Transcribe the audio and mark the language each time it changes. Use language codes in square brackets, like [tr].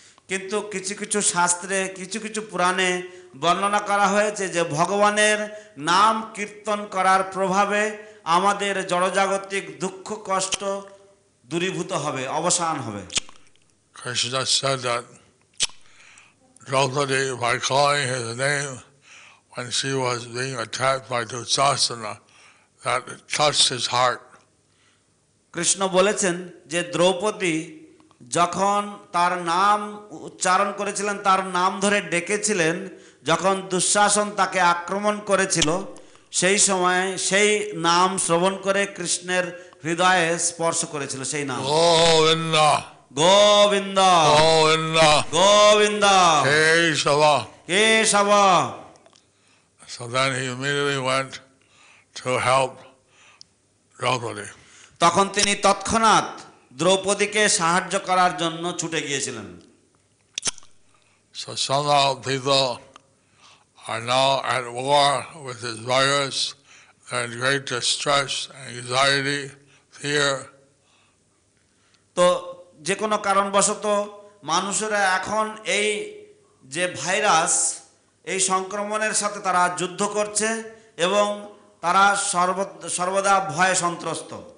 [bn] কিন্তু কিছু কিছু শাস্ত্রে কিছু কিছু পুরাণে বর্ণনা করা হয়েছে যে ভগবানের নাম কীর্তন করার প্রভাবে আমাদের জড়জাগতিক দুঃখ কষ্ট দূরীভূত হবে, অবসান হবে। [en] Krishna said that Draupadi, by calling his name when she was being attacked by Dushasana, that it touched his heart. [bn] Krishna বলেছেন যে দ্রৌপদী যখন তার নাম উচ্চারণ করেছিলেন, তার নাম ধরে ডেকেছিলেন, যখন দুঃশাসন তাকে আক্রমণ করেছিল, সেই সময় সেই নাম শ্রবণ করে কৃষ্ণের হৃদয়ে স্পর্শ করেছিল সেই নাম। Govinda Govinda Govinda Govinda Keshab Keshab. [en] So then he immediately went to help Draupadi. [bn] তখন তিনি তৎক্ষণাৎ দ্রৌপদীকে সাহায্য করার জন্য ছুটে গিয়েছিলেন। [en] So some of people are now at war with his warriors. They're in great distress, anxiety, fear. [bn] তো যে কোনো কারণবশত মানুষেরা এখন এই যে ভাইরাস, এই সংক্রমণের সাথে তারা যুদ্ধ করছে এবং তারা সর্বদা ভয়ে সন্ত্রস্ত।